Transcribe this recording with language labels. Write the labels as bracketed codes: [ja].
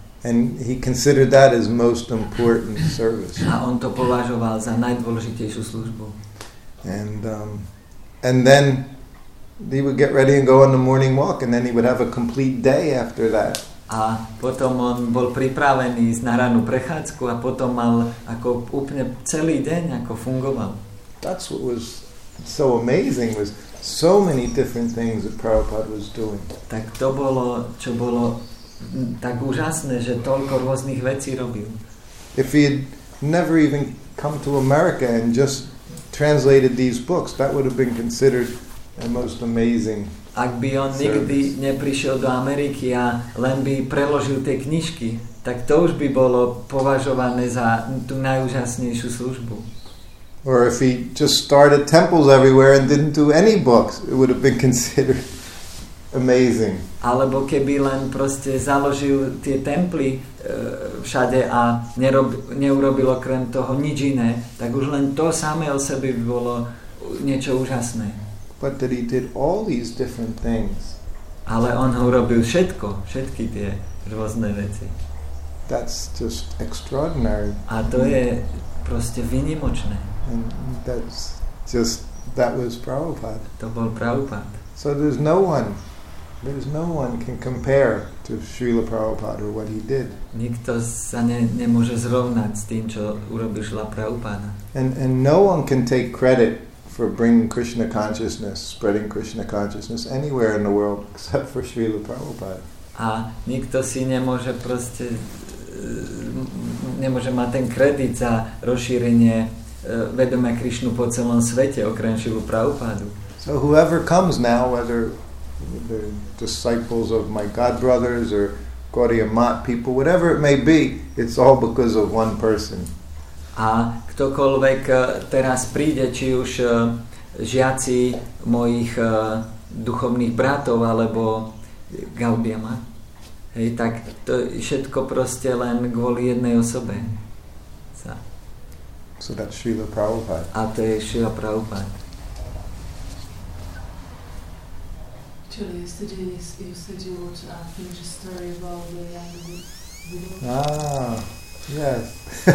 [en] And he considered that his most important service. [sk] A on to považoval za najdôležitejšiu službu. [en] And then he would get ready and go on the morning walk, and then he would have a complete day after that. [sk] A potom on bol pripravený ísť na ranú prechádzku a potom mal ako úplne celý deň ako fungoval. [en] That's what was so amazing, was so many different things that Prabhupada was doing. [sk] Tak to bolo, čo bolo tak úžasné, že toľko rôznych vecí robil. [en] If he had never even come to America and just translated these books, that would have been considered the most amazing. [sk] Ak by on nikdy neprišiel do Ameriky a len by preložil tie knižky, tak to už by bolo považované za tú najúžasnejšiu službu. [en] Or if he just started temples everywhere and didn't do any books, it would have been considered amazing. [sk] Alebo keby len proste založil tie temply všade a neurobil okrem toho nič iné, tak už len to samé o sebe by bolo niečo úžasné. [en] But that he did all these different things. [sk] Ale on ho urobil všetko, všetky tie rôzne veci. [en] That's just extraordinary. [sk] A to je proste výnimočné. [en] And that's just, that was Prabhupada. [sk] To bol Prabhupada. [en] So there's no one can compare to Srila Prabhupada or what he did. [sk] Nikto sa nemôže zrovnať s tým, čo urobil Srila Prabhupada. [en] And no one can take credit for bringing Krishna consciousness, spreading Krishna consciousness anywhere in the world except for Srila Prabhupada. [sk] A nikto si nemôže nemôže mať ten kredit za rozšírenie vedomia Krishnu po celom svete okrem Srila Prabhupada. [en] So whoever comes now, whether the disciples of my god brothers or Gaudiya Math people, whatever it may be, it's all because of one person. [sk] A ktokoľvek teraz príde, či už žiaci mojich duchovných bratov alebo Gaudiya Math, hej, tak to všetko proste len kvôli jednej osobe. [en] So that's Srila Prabhupada. [sk] A to je Srila Prabhupada. [en] Actually, yesterday you said you want to finish a story about the younger widow. Ah, yes.